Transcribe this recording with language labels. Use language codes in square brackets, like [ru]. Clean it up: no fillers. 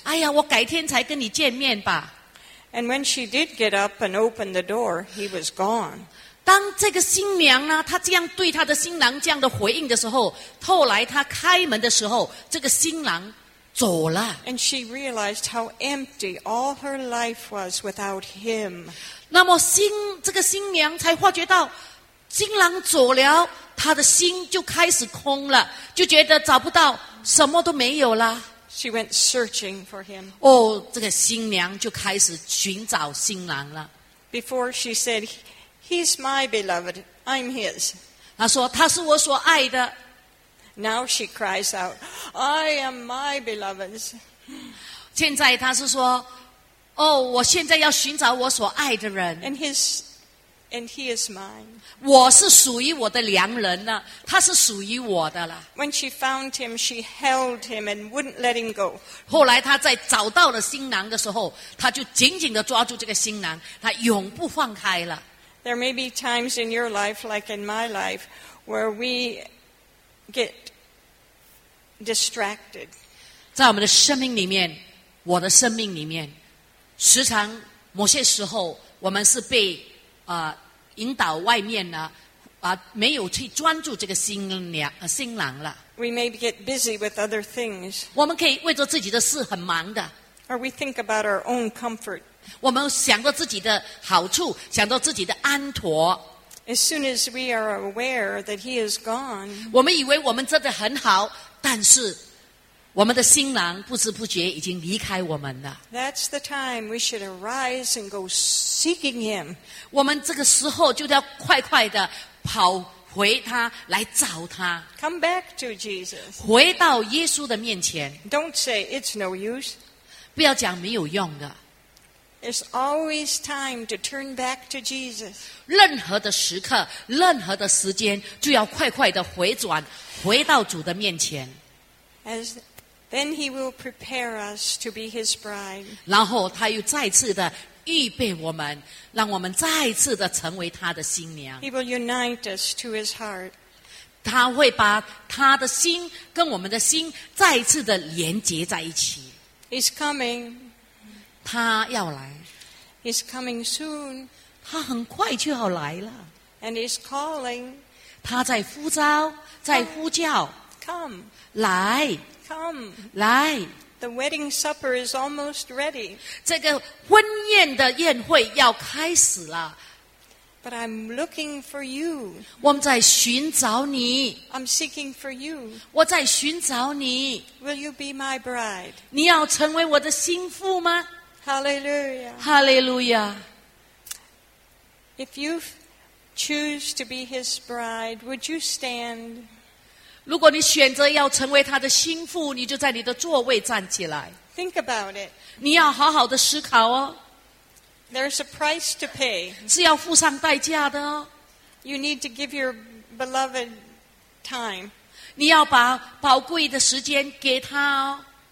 [zh] 哎呀，我改天才跟你见面吧。 [en] And when she did get up and open the door, he was gone. [zh] 当这个新娘呢，她这样对她的新郎这样的回应的时候，后来她开门的时候，这个新郎走了。 [en] And she realized how empty all her life was without him. [zh] 那么这个新娘才发觉到，新郎走了，她的心就开始空了，就觉得找不到，什么都没有了。 [en] She went searching for him. [zh] 哦，这个新娘就开始寻找新郎了。 [en] Before she said, "He's my beloved, I'm his." [zh] 她说，他是我所爱的。 [en] Now she cries out, "I am my beloved's." [zh] 现在她是说，哦，我现在要寻找我所爱的人。 [en] And he is mine. [zh] 我是属于我的良人了，他是属于我的了。 [en] When she found him, she held him and wouldn't let him go. [zh] 后来她在找到了新郎的时候，她就紧紧地抓住这个新郎，她永不放开了。 [en] There may be times in your life, like in my life, where we get distracted. [zh] 在我们的生命里面，我的生命里面，时常某些时候，我们是被引导外面呢，没有去专注这个新郎了。 [en] We may get busy with other things. [zh] 我们可以为着自己的事很忙的。 [en] Or we think about our own comfort. [zh] 我们想着自己的好处，想着自己的安妥。 [en] As soon as we are aware that he is gone, [zh] 我们以为我们真的很好，但是我们的新郎不知不觉已经离开我们了。 [en] That's the time we should arise and go seeking him. [zh] 我们这个时候就要快快的跑回他来找他。 [en] Come back to Jesus. [zh] 回到耶稣的面前。 [en] Don't say it's no use. [zh] 不要讲没有用的。 [en] There's always time to turn back to Jesus. [zh] 任何的时刻，任何的时间，就要快快的回转，回到主的面前。 [en] As then he will prepare us to be his bride. [zh] 然后他又再次的预备我们，让我们再次的成为他的新娘。 [en] He will unite us to his heart. [zh] 他会把他的心跟我们的心再次的连接在一起。 [en] He's coming. [zh] 他要来。 [en] He's coming soon. [zh] 他很快就要来了。 [en] And he's calling. [zh] 他在呼召，在呼叫。 [en] Come. [zh] 来。 [en] Come. [zh] 来。 [en] The wedding supper is almost ready. [zh] 这个婚宴的宴会要开始了。 [en] But I'm looking for you. [zh] 我们在寻找你。 [en] I'm seeking for you. [zh] 我在寻找你。 [en] Will you be my bride? [zh] 你要成为我的新妇吗？ [en] Hallelujah. Hallelujah. If you choose to be his bride, would you stand? [zh] 如果你选择要成为他的心腹，你就在你的座位站起来。 [en] Think about it. [zh] 你要好好的思考哦。 [en] There's a price to pay. [zh] 是要付上代价的哦。 [en] You need to give your beloved time. [zh] 你要把宝贵的时间给他哦。